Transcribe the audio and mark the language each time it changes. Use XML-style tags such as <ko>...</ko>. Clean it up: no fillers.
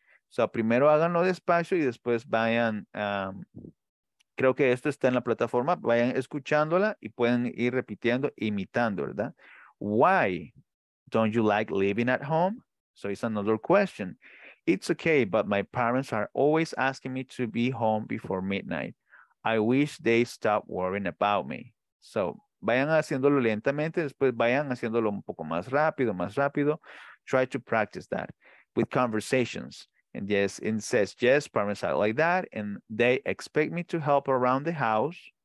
<es>So primero háganlo despacio y después vayan, creo que esto está en la plataforma, vayan escuchándola y pueden ir repitiendo, imitando, ¿verdad?</es> <en>Why don't you like living at home? So it's another question. It's okay, but my parents are always asking me to be home before midnight. I wish they stopped worrying about me.</en> <es>So vayan haciéndolo lentamente, después vayan haciéndolo un poco más rápido.</es> <en>Try to practice that with conversations. And yes, it says, yes, parents are like that. And they expect me to help around the house.</en>